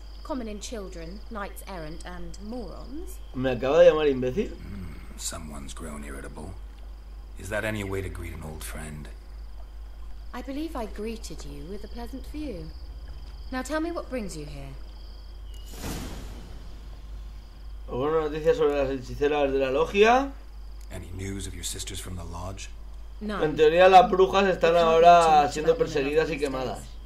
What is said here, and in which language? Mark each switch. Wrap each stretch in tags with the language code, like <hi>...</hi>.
<en>Common in children, knights errant, and morons.</en> <es>¿Me acaba de llamar imbécil?</es> <en>Someone's grown irritable. Is that any way to greet an old friend? I believe I greeted you with a pleasant view. Now tell me what brings you here.</en> <es>¿Alguna noticia sobre las hechiceras de la logia?</es> <en>Any news of your sisters from the lodge?</en> <es>En teoría las brujas están ahora siendo perseguidas y quemadas.</es>